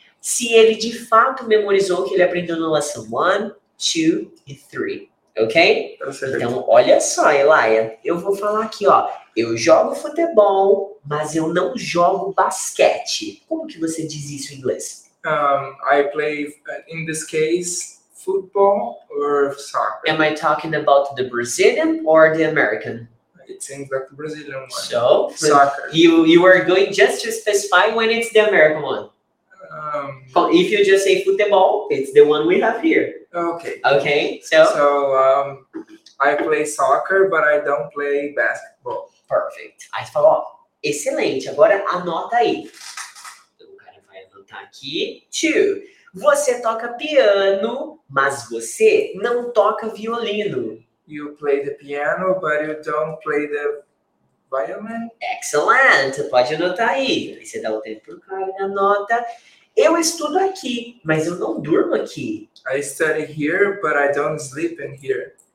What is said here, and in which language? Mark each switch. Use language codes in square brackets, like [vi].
[pt] Se ele, de fato, memorizou o que ele aprendeu na lesson 1, 2 e 3. Ok? Então, olha só, Eli. Eu vou falar aqui, ó. Eu jogo futebol, mas eu não jogo basquete. Como que você diz isso em inglês? [en] I play, in this case, football or soccer. Am I talking about the Brazilian or the American? It seems like the Brazilian one. So? Soccer. You are going just to specify when it's the American one. If you just say football, it's the one we have here. Okay. Okay, so? So, I play soccer, but I don't play basketball. Perfect. [pt] Aí você falou, excelente, agora anota aí. Aqui, two, você toca piano, mas você não toca violino. [en] You play the piano, but you don't play the violin. [pt] Excellent, pode anotar aí. Você dá o tempo pro cara e anota. Eu estudo aqui, mas eu não durmo aqui. [en] I study here, but I don't sleep in here.